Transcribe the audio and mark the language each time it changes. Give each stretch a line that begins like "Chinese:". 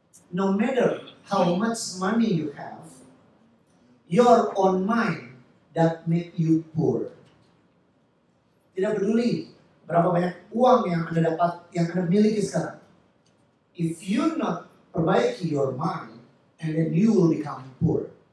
English: No matter how much money you have, your own mind that make you poor.
Indonesian: Tidak peduli berapa banyak uang yang Anda dapat, yang Anda miliki sekarang.
English: If you not
Indonesian: perbaiki
English: your mind, and then you will become poor.